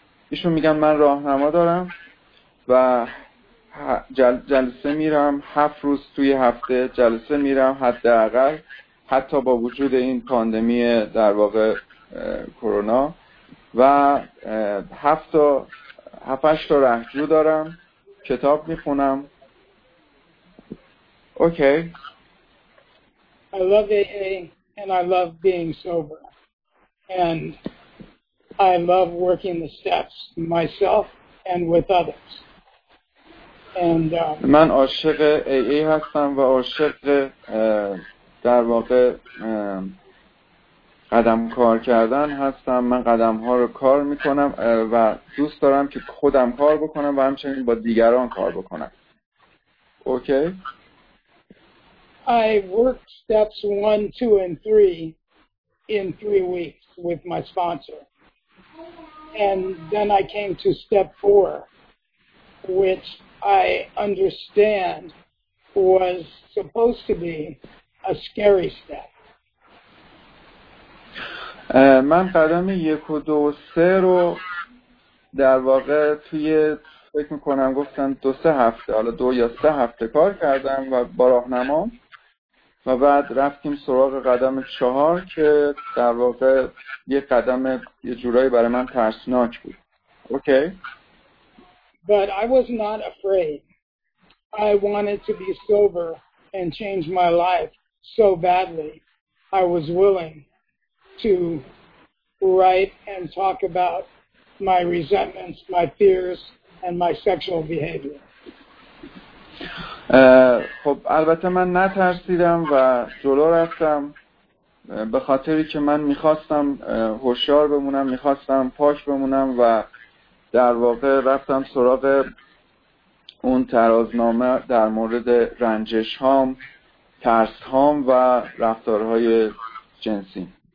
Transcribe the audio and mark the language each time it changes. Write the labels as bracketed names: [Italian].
[Persian] ایشون میگن من راهنما دارم و جلسه میرم 7 روز توی هفته جلسه میرم، حداقل حتی با وجود این پاندمی در واقع کرونا، و 7-8 رهجو دارم، کتاب میخونم. [English] Okay. I love AA and I love being sober and I love working the steps myself and with others. And [Persian] من عاشق AA هستم و عاشق در واقع قدم کار کردن هستم. من قدم ها رو کار میکنم و دوست دارم که خودم کار بکنم و همچنین با دیگران کار بکنم. [English] Okay. I worked steps 1, 2, and 3 in 3 weeks with my sponsor. And then I came to step 4, which I understand was supposed to be a scary step. [Persian] من قدم یک و دو و سه رو در واقع توی فکر میکنم گفتن دو سه هفته، حالا دو یا سه هفته کار کردم و با راهنما و بعد رفتیم سراغ قدم چهار که در واقع یه قدم یه جورایی برای من ترسناک بود. [English] Okay? But I was not afraid. I wanted to be sober and change my life so badly. I was willing to write and talk about my resentments, my fears, and my sexual behavior. [Persian] خب البته من نترسیدم و جلو رفتم به خاطری که من میخواستم هوشیار بمونم، میخواستم پاک بمونم و در واقع رفتم سراغ اون ترازنامه در مورد رنجش هام، ترس هام و رفتارهای جنسی.